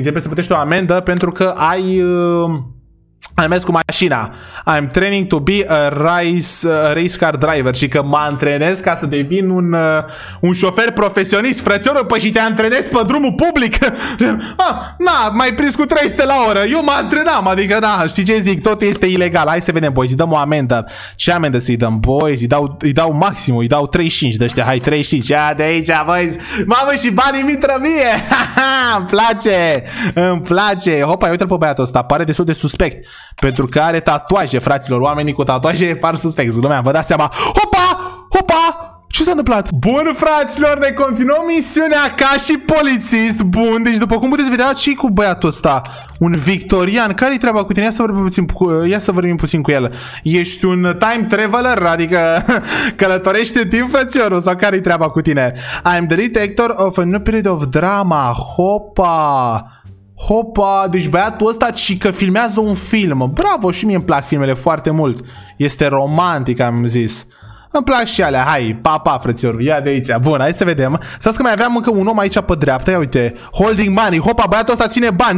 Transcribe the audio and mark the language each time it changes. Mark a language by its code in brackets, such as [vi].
[ro] Trebuie să plătești o amendă pentru că ai ai mers cu mașina. [en] I'm training to be a race car driver. [ro] Și că mă antrenez ca să devin un un șofer profesionist. Frățioră, păi și te antrenez pe drumul public. Na, m-ai prins cu 300 la oră. Eu mă antrenam, adică na, știi ce zic, totul este ilegal. Hai să vedem, boys, îi dăm o amendă. Ce amendă să-i dăm, boys? Îi dau maximul, îi dau 35 de ăștia. Hai, 35, ia de aici, boys. Mamă, și banii mi-ntră mie. Îmi place, îmi place. Hopa, uite-l pe băiatul ăsta, pare destul de suspect. Pentru că are tatuaje, fraților. Oamenii cu tatuaje par suspecți, lumea, vă dați seama. Hopa, hopa. Ce s-a întâmplat? Bun, fraților, ne continuăm misiunea ca și polițist. Bun, deci după cum puteți vedea, ce-i cu băiatul ăsta? Un victorian. Care-i treaba cu tine? Ia să vorbim puțin cu el. Ești un time traveler? Adică călătorești în timp, frățiorul? Sau care-i treaba cu tine? [en] I'm the detector of a new period of drama. [ro] Hopa. Hopa, deci băiatul ăsta și că filmează un film. Bravo, și mie îmi plac filmele foarte mult. Este romantic, am zis. Îmi plac și alea, hai, pa, pa, frățior. Ia de aici, bun, hai să vedem. Stați că mai aveam încă un om aici pe dreapta. Ia uite, [en] holding money, [ro] hopa, băiatul ăsta ține bani.